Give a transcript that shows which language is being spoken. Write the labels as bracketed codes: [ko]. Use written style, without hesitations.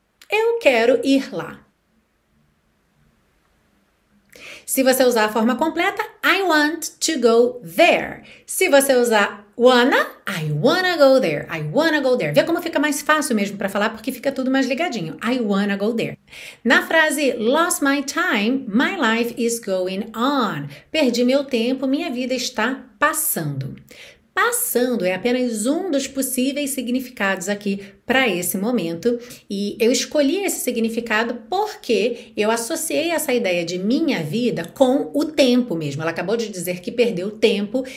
[pt] Eu quero ir lá. Se você usar a forma completa, [en] I want to go there. [pt] Se você usar wanna, [en] I wanna go there, I wanna go there. [pt] Vê como fica mais fácil mesmo para falar, porque fica tudo mais ligadinho. [en] I wanna go there. [pt] Na frase, [en] lost my time, my life is going on. [pt] Perdi meu tempo, minha vida está passando. Passando é apenas um dos possíveis significados aqui para esse momento. E eu escolhi esse significado porque eu associei essa ideia de minha vida com o tempo mesmo. Ela acabou de dizer que perdeu o tempo.